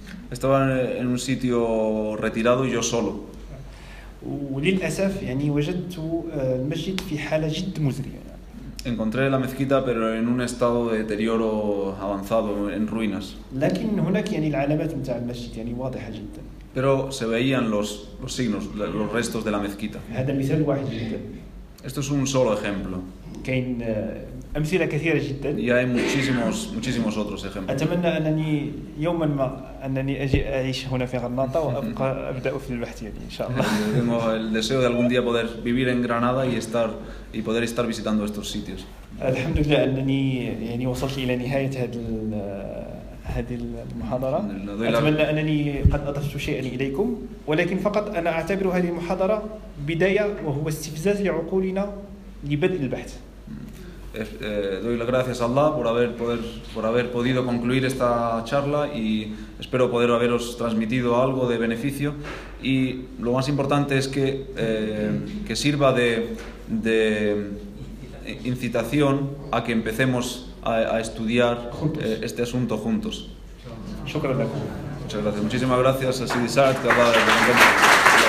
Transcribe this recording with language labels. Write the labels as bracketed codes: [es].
[es] Estaba en un sitio retirado y yo solo. [ar] وللأسف يعني وجدت المسجد في حالة جد مزرية. [es] Encontré la mezquita pero en un estado de deterioro avanzado, en ruinas. [ar] لكن هناك يعني العلامات متاع المسجد يعني واضحة جدا. [es] Pero se veían los signos, los restos de la mezquita. [ar] هذا مثال واحد جدا. [es] Esto es un solo ejemplo. [ar] كاين أمثلة كثيرة جدا. [es] Y hay muchísimos otros ejemplos. [ar] أتمنى أنني يوما ما أنني أجي أعيش هنا في غرناطة وأبقى أبدأ في البحث يعني إن شاء الله. [es] Tengo el deseo de algún día poder vivir en Granada y poder estar visitando estos sitios. [ar] الحمد لله أنني يعني وصلت إلى نهاية هذه المحاضرة. أتمنى أنني قد أضفت شيئا إليكم، ولكن فقط أنا أعتبر هذه المحاضرة بداية وهو استفزاز لعقولنا لبدء البحث. [es] Doy las gracias a Allah por haber podido concluir esta charla y espero poder haberos transmitido algo de beneficio, y lo más importante es que sirva de incitación a que empecemos a estudiar este asunto juntos. Muchas gracias, muchísimas gracias.